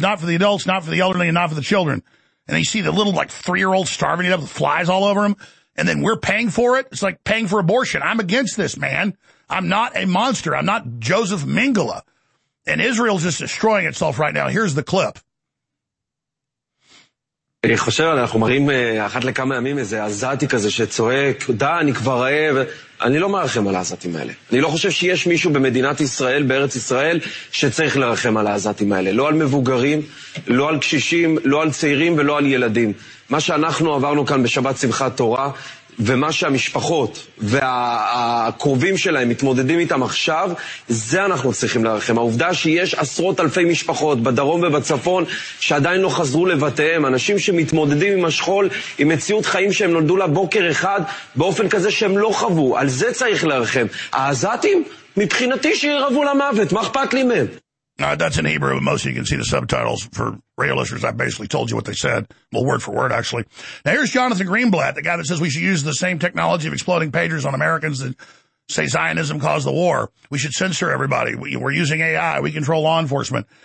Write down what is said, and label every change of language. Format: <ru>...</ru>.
<en>Not for the adults, not for the elderly, and not for the children. And you see the little, like, three-year-old starving, you have flies all over him. And then we're paying for it. It's like paying for abortion. I'm against this, man. I'm not a monster. I'm not Joseph Mengele. And Israel's just destroying itself right now. Here's the clip.</en> <he>אני חושב, אנחנו מראים אחת לכמה ימים איזה עזתי כזה שצועק, דה, אני כבר רעב. אני לא מרחם על העזתים האלה. אני לא חושב שיש מישהו במדינת ישראל, בארץ ישראל, שצריך לרחם על העזתים האלה. לא על מבוגרים, לא על קשישים, לא על צעירים ולא על ילדים. מה שאנחנו עברנו כאן בשבת שמחת תורה, ומה שהמשפחות והקרובים שלהם מתמודדים איתם עכשיו, זה אנחנו צריכים להרחם. העובדה שיש עשרות אלפי משפחות בדרום ובצפון שעדיין לא חזרו לבתיהם, אנשים שמתמודדים עם השכול, עם מציאות חיים שהם נולדו לבוקר אחד, באופן כזה שהם לא חוו, על זה צריך להרחם. העזתים, מבחינתי שירבו למוות, מה אכפת לי מהם?</he> <en>Now, that's in Hebrew, but most of you can see the subtitles. For radio listeners, I basically told you what they said. Well, word for word, actually. Now, here's Jonathan Greenblatt, the guy that says we should use the same technology of exploding pagers on Americans that say Zionism caused the war. We should censor everybody. We're using AI. We control law enforcement.</en>